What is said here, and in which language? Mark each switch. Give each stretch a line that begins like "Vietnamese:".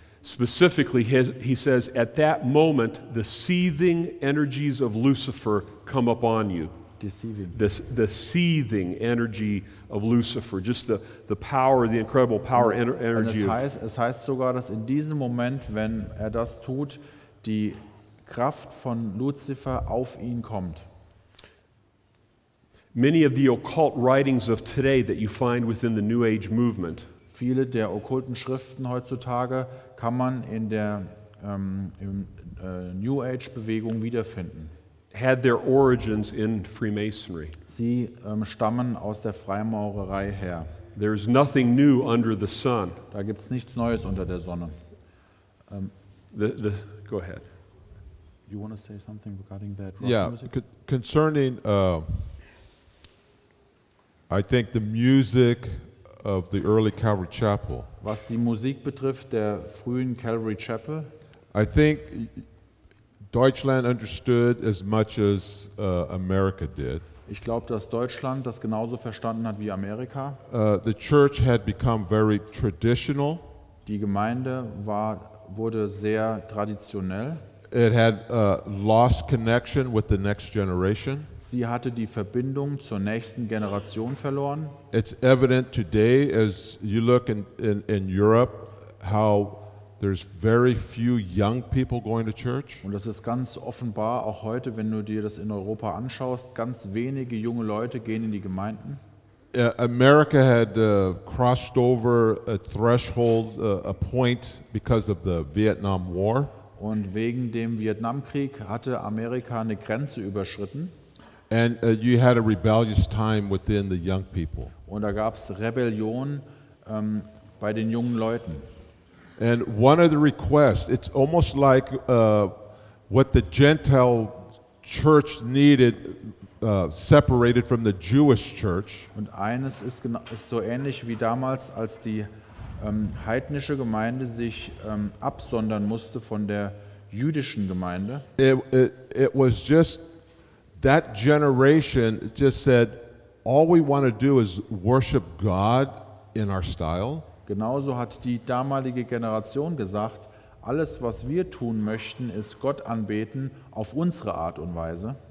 English: Specifically, he says, at that moment, the seething energies of Lucifer come upon you. deceiving. The seething energy of Lucifer, just the power, the incredible power energy.
German: Es heißt sogar, dass in diesem Moment, wenn er das tut, die Kraft von Lucifer auf ihn kommt.
English: Many of the occult writings of today that you find within the New Age movement.
German: Viele der okkulten Schriften heutzutage kann man in der New Age Bewegung wiederfinden.
English: Had their origins in Freemasonry.
German: Sie stammen aus der Freimaurerei her.
English: There's nothing new under the sun.
German: Da gibt's nichts Neues unter der Sonne.
English: Go ahead. You want to say something regarding that? Rock yeah, music? Concerning. I think the music of the early Calvary Chapel.
German: Was die Musik betrifft der frühen Calvary Chapel.
English: I think Deutschland understood as much as America did.
German: Ich glaube, dass Deutschland das genauso verstanden hat wie Amerika.
English: The church had become very traditional.
German: Die Gemeinde wurde sehr traditionell.
English: It had lost connection with the next generation.
German: Sie hatte die Verbindung zur nächsten Generation verloren.
English: It's evident today as you look in Europe how there's very few young people going to church.
German: Und das ist ganz offenbar auch heute, wenn du dir das in Europa anschaust, ganz wenige junge Leute gehen in die Gemeinden.
English: America had crossed over a threshold, a point because of the Vietnam War.
German: Und wegen dem Vietnamkrieg hatte Amerika eine Grenze überschritten.
English: And you had a rebellious time within the young people.
German: Und da gab's Rebellion bei den jungen Leuten.
English: And one of the requests, it's almost like what the Gentile church needed separated from the Jewish church.
German: Und eines ist so ähnlich wie damals, als die heidnische Gemeinde sich absondern musste von der jüdischen Gemeinde.
English: It was just that generation just said, all we want to do is worship God in our style.
German: Genauso hat die damalige Generation gesagt, alles, was wir tun möchten, ist Gott anbeten auf unsere Art und Weise.